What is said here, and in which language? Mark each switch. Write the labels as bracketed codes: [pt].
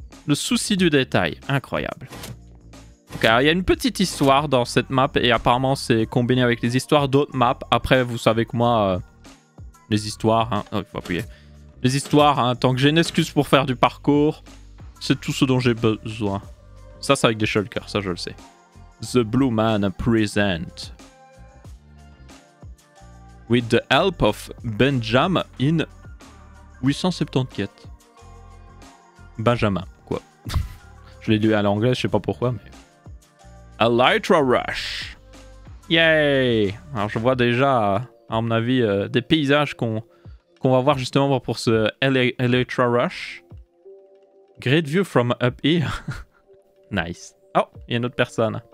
[fr] Le souci du détail, incroyable. Ok, alors il y a une petite histoire dans cette map et apparemment c'est combiné avec les histoires d'autres maps. Après, vous savez que moi, les histoires, hein, oh, il faut appuyer. Les histoires, hein, tant que j'ai une excuse pour faire du parcours, c'est tout ce dont j'ai besoin. Ça, c'est avec des shulkers, ça je le sais. [en] The Blue Man present. With the help of Benjamin in 874. Benjamin. [fr] Je l'ai lu à l'anglais, je sais pas pourquoi, mais... Elytra Rush. Yay. Alors, je vois déjà, à mon avis, des paysages qu'on va voir justement pour ce Elytra Rush. [en] Great view from up here. Nice. [fr] Oh, il y a une autre personne.